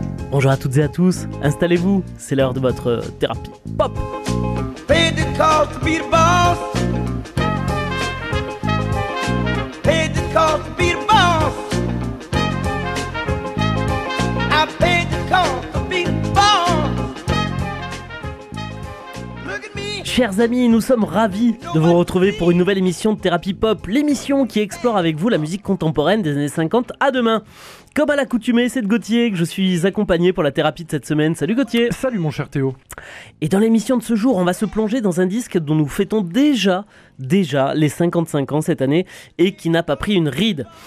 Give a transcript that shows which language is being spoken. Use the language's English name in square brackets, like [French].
[French] Bonjour à toutes et à tous, installez-vous, c'est l'heure de votre thérapie pop. [English] Pay the cost to be the boss. Pay the cost to be the boss. I pay the cost to be the boss. Look at me. [French] Chers amis, nous sommes ravis de vous retrouver pour une nouvelle émission de Thérapie Pop, l'émission qui explore avec vous la musique contemporaine des années 50 à demain. Comme à l'accoutumée, c'est de Gauthier que je suis accompagné pour la thérapie de cette semaine. Salut Gauthier. Salut mon cher Théo. Et dans l'émission de ce jour, on va se plonger dans un disque dont nous fêtons déjà les 55 ans cette année et qui n'a pas pris une ride.